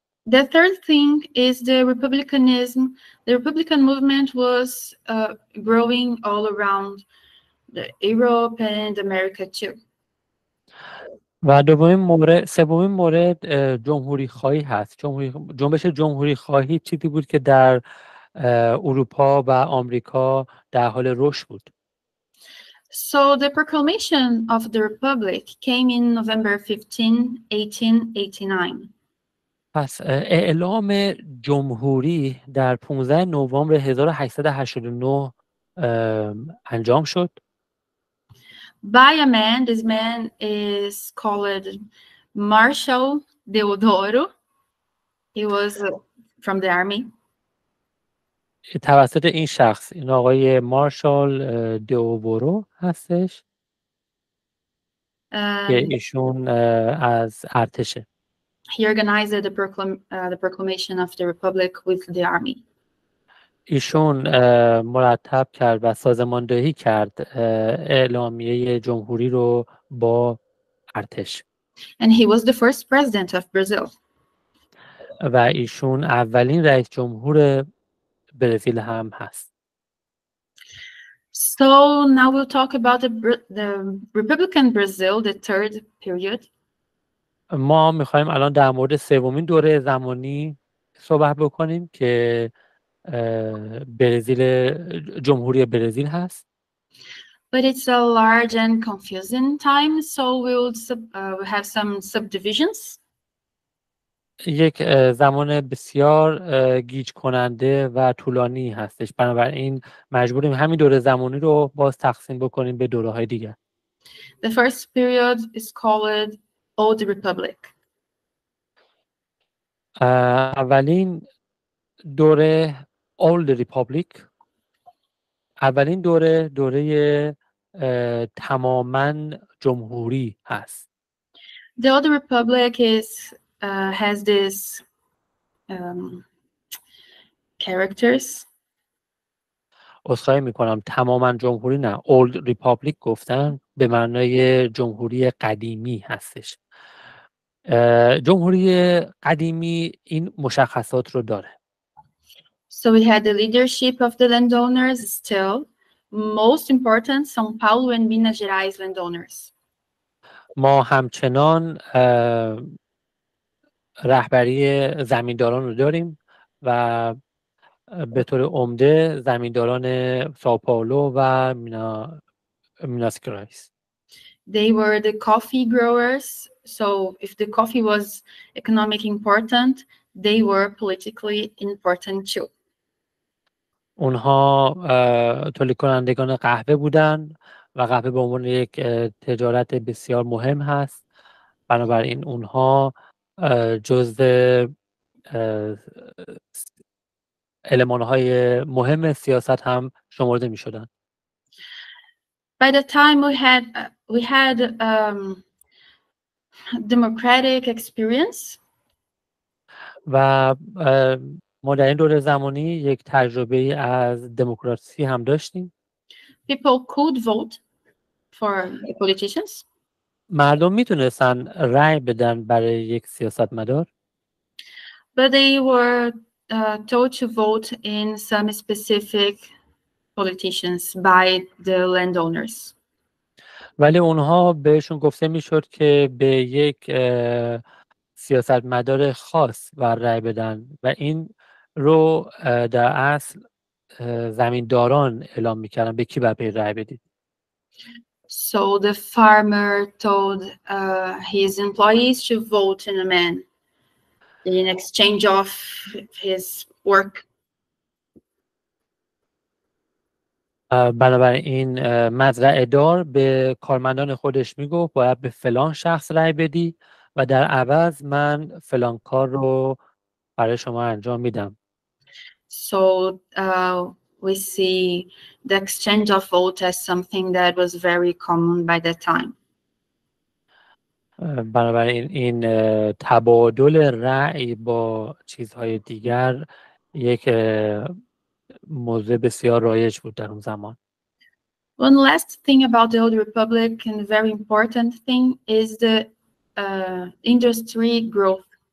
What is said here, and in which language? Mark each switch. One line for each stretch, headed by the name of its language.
English: The third thing is the republicanism. The republican movement was growing all around the Europe and America too.
Persian: و سومین مورد جمهوری خواهی هست. جنبش جمهوری خواهی چیزی بود که در اروپا و آمریکا در حال رشد بود.
English: So the proclamation of the Republic came in November 15, 1889.
Persian: پس اعلام جمهوری در 15 نوامبر 1889 انجام شد.
English: By a man, this man is called Marshal Deodoro. He was from the army.
Persian: توسط این شخص، این آقای مارشال دئوبورو هستش که ایشون از ارتشه.
English: He organized the proclamation of the Republic with the army.
Persian: ایشون مرتب کرد و سازماندهی کرد اعلامیه جمهوری رو با ارتش.
English: And he was the first president of Brazil.
Persian: و ایشون اولین رئیس جمهور برزیل هم هست.
English: So now we'll talk about the Republican Brazil, the third period.
Persian: ما میخواییم الان در مورد سومین دوره زمانی صحبت بکنیم که برزیل جمهوری برزیل هست.
English: But it's a large and confusing time, so we'll have some subdivisions.
Persian: یک زمان بسیار گیج کننده و طولانی هستش، بنابراین مجبوریم همین دوره زمانی رو باز تقسیم بکنیم به دوره های دیگر.
English: The first period is called Old Republic.
Persian: اولین دوره Old Republic، اولین دوره دوره تماماً جمهوری هست.
English: The Old Republic is has this characters.
Persian: اصلاح میکنم، تماماً جمهوری نه، Old Republic گفتن به معنای جمهوری قدیمی هستش. جمهوری قدیمی این مشخصات رو داره.
English: So we had the leadership of the landowners still. Most important, São Paulo and Minas Gerais landowners.
Persian: ما همچنان رهبری زمینداران رو داریم و به طور عمده زمینداران São Paulo و Minas Gerais.
English: They were the coffee growers. So if the coffee was economically important, they were politically important too.
Persian: اونها تولید کنندگان قهوه بودند و قهوه به عنوان یک تجارت بسیار مهم هست، بنابراین اونها جزء المان‌های مهم سیاست هم شمرده می‌شدند.
English: By the time we had democratic experience.
Persian: و ما در این دوره زمانی یک تجربه از دموکراسی هم داشتیم.
English: People could vote for politicians.
Persian: مردم میتونستن رأی بدن برای یک سیاستمدار.
English: But they were told to vote in some specific politicians by the landowners.
Persian: ولی اونها بهشون گفته میشد که به یک سیاستمدار خاص رأی بدن و این رو در اصل زمینداران اعلام میکردن به کی باید رأی بدید.
English: So the farmer told his employees to vote in a man in exchange of his work.
Persian: بنابراین مزرعه دار به کارمندان خودش میگفت باید به فلان شخص رأی بدی و در عوض من فلان کار رو برای شما انجام میدم.
English: So we see the exchange of vote as something that was very common by that time.
Persian: بنابراین این تبادل رأی با چیزهای دیگر یک موضوع بسیار رایج بود در اون زمان.
English: One last thing about the Old Republic and very important thing is the industry growth.